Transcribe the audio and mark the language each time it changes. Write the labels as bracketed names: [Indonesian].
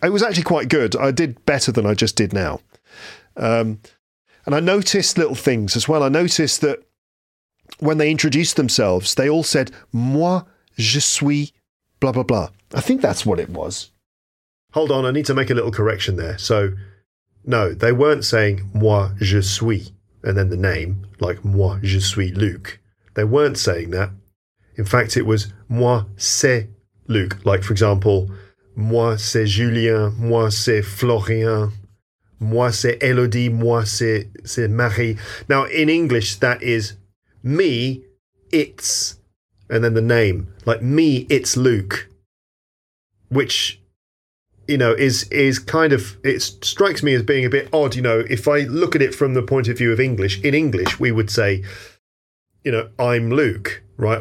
[English] It was actually quite good. I did better than I just did now. And I noticed little things as well. I noticed that when they introduced themselves, they all said, moi, je suis, blah, blah, blah. I think that's what it was. Hold on, I need to make a little correction there. So, no, they weren't saying, moi, je suis, and then the name, like, moi, je suis Luc. They weren't saying that. In fact, it was, moi, c'est Luc. Like, for example, moi, c'est Julien, moi, c'est Florian. [French] Moi, c'est Elodie, moi, c'est Marie. [English] Now, in English, that is me, it's, and then the name. Like, me, it's Luke. Which, you know, is kind of, it strikes me as being a bit odd. You know, if I look at it from the point of view of English, in English, we would say, you know, I'm Luke, right?